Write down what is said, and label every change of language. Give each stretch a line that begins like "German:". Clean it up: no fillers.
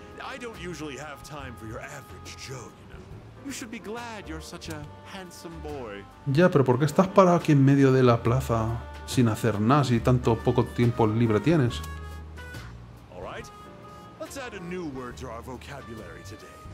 English: I don't usually have time for your average Joe, you know. You should be glad you're such a handsome boy.
Spanish: Ya, pero ¿por qué estás parado aquí en medio de la plaza sin hacer nada si tanto poco tiempo libre tienes?
English: All right. Let's add a new word to our vocabulary today.